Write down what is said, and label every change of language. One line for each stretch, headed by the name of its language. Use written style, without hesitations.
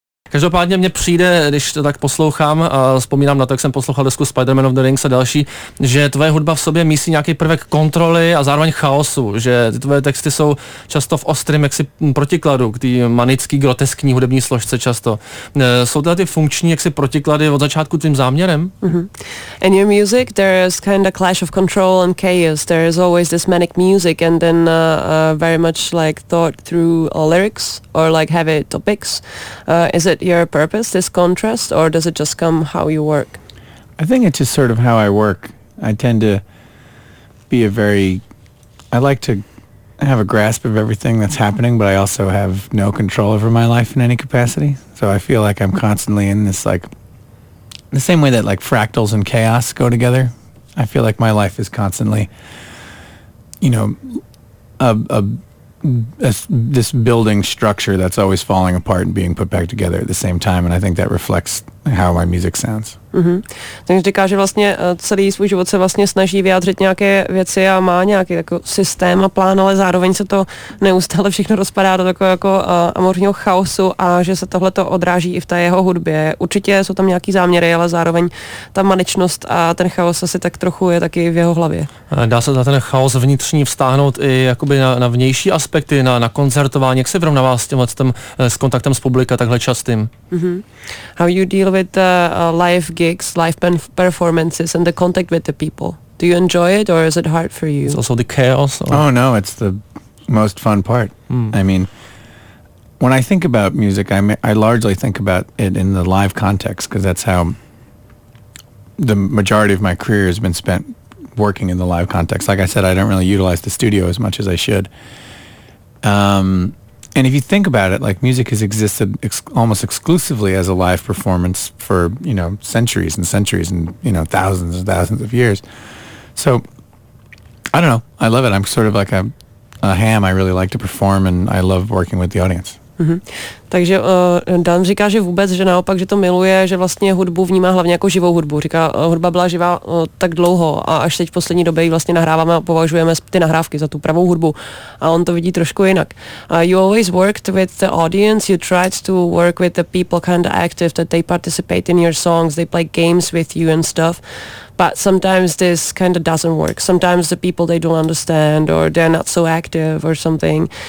Czech: Každopádně mně přijde, když to tak poslouchám a vzpomínám na to, jak jsem poslouchal desku Spider-Man of the Rings a další, že tvoje hudba v sobě mísí nějaký prvek kontroly a zároveň chaosu, že ty tvoje texty jsou často v ostrém jaksi protikladu k té manické, groteskní hudební složce často. Jsou tyhle ty funkční jaksi protiklady od začátku tvým záměrem?
English: Mm-hmm. In your music there is kind of clash of control and chaos. There is always this manic music and then very much like thought through lyrics or like heavy topics. Is it your purpose, this contrast, or does it just come how you work? I think it's just sort of how I work. I tend to be a very, I like to have a grasp of everything that's happening, but I also have no control over my life in any capacity. So I feel like I'm constantly in this, like, the same way that, like, fractals and chaos go together. I feel like my life is constantly, you know, this building structure that's always falling apart and being put back together at the same time, and I think that reflects how my music sounds. Mm-hmm.
Czech: Takže říká, že vlastně celý svůj život se vlastně snaží vyjádřit nějaké věci a má nějaký jako systém a plán, ale zároveň se to neustále všechno rozpadá do takového jako amorního chaosu, a že se tohle to odráží i v té jeho hudbě. Určitě jsou tam nějaký záměry, ale zároveň ta maličnost a ten chaos asi tak trochu je taky v jeho hlavě. Dá se za ten chaos vnitřní vztáhnout i jakoby na vnější aspekty, na koncertování, jak se vyrovnává s tímhle s kontaktem s publika takhle častým? Mm-hmm.
English: How you deal with life gigs, live performances, and the contact with the people? Do you enjoy it, or is it hard for you? It's also the chaos. Or? Oh, no, it's the most fun part. Mm. I mean, when I think about music, I largely think about it in the live context, because that's how the majority of my career has been spent, working in the live context. Like I said, I don't really utilize the studio as much as I should. And if you think about it, like, music has existed almost exclusively as a live performance for, you know, centuries and centuries and, you know, thousands and thousands of years. So, I don't know. I love it. I'm sort of like a ham. I really like to perform, and I love working with the audience. Mm-hmm.
Czech: Takže Dan říká, že vůbec, že naopak, že to miluje, že vlastně hudbu vnímá hlavně jako živou hudbu. Říká, hudba byla živá tak dlouho a až teď v poslední době ji vlastně nahráváme a považujeme ty nahrávky za tu pravou hudbu. A on to vidí trošku jinak.
English: You always worked with the audience, you tried to work with the people kind of active, that they participate in your songs, they play games with you and stuff. But sometimes this kind of doesn't work. Sometimes the people, they don't understand, or they're not so active or something.